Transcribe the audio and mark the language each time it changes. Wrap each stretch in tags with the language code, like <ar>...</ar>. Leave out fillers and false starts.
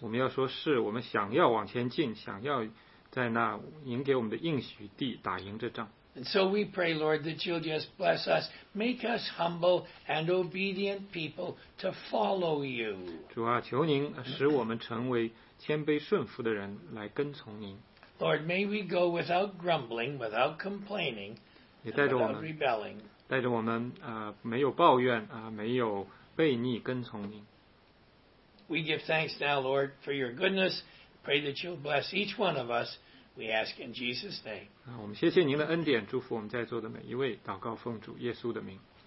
<zh>我们要说是，我们想要往前进，想要在那您给我们的应许地打赢这仗。</zh> <en>And so we pray, Lord, that you'll just bless us, make us humble and obedient people to follow you.</en> <zh>主啊，求您使我们成为谦卑顺服的人来跟从您。</zh> <en>Lord, may we go without grumbling, without complaining, without rebelling.</en> <zh>带着我们没有抱怨没有悖逆跟从您。</zh> <en>We give thanks now, Lord, for your goodness. Pray that you'll bless each one of us. We ask in Jesus' name.</en> <zh>我们谢谢您的恩典，祝福我们在座的每一位，祷告奉主耶稣的名。</zh>